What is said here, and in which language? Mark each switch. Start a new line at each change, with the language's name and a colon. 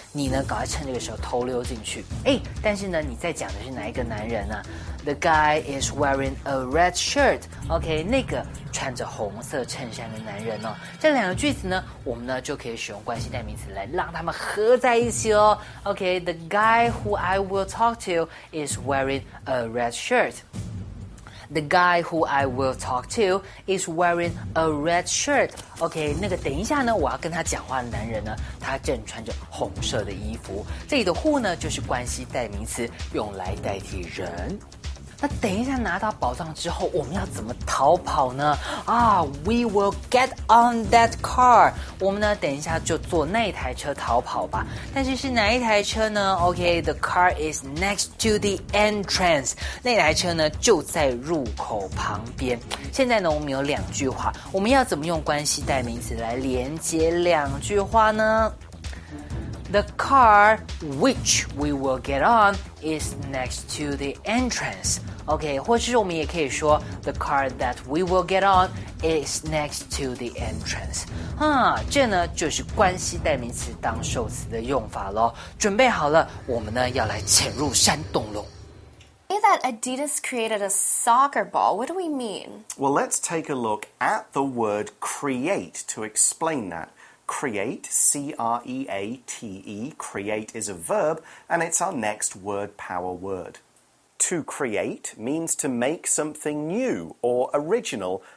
Chinese: 你呢，赶快趁这个时候偷溜进去。哎，但是呢，你在讲的是哪一个男人啊？
English: The guy is wearing a red shirt.
Chinese: OK, 那个穿着红色衬衫的男人哦。这两个句子呢，我们呢就可以使用关系代名词来让他们合在一起哦。
English: OK, the guy who I will talk to is wearing a red shirt. The guy who I will talk to is wearing a red shirt.
Chinese: OK, 那个等一下呢，我要跟他讲话的男人呢，他正穿着红色的衣服。这里的 who 呢，就是关系代名词，用来代替人。那等一下拿到宝藏之后，我们要怎么逃跑呢？
English: 啊、ah, ，We will get on that car.
Chinese: 我们呢，等一下就坐那台车逃跑吧。但是是哪一台车呢
English: ？OK, the car is next to the entrance.
Chinese: 那台车呢，就在入口旁边。现在呢，我们有两句话，我们要怎么用关系代名词来连接两句话呢？
English: The car which we will get on is next to the entrance. OK,
Chinese: 或是我们也可以说
English: The car that we will get on is next to the entrance.
Chinese: 啊，这呢就是关系代名词当受词的用法咯。准备好了，我们呢要来潜入山洞咯。
English: Say that Adidas created a soccer ball. What do we mean? Well, let's take a look at the word create to explain that. Create, C-R-E-A-T-E, create is a verb, and it's our next word power word. To create means to make something new or original